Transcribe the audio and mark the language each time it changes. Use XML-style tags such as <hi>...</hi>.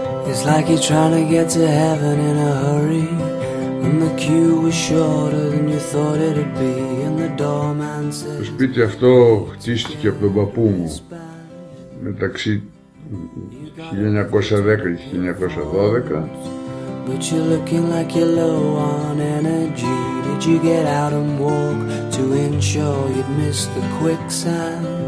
<en>It's like you're trying to get to heaven in a hurry, and the queue was shorter than you thought it'd be, and the doorman said...</en> <el>Το σπίτι αυτό χτίστηκε από τον παππού μου μεταξύ 1910 και 1912.</el> <en>But you're looking like you're low on energy. Did you get out and walk to ensure you'd miss the quicksand?</en>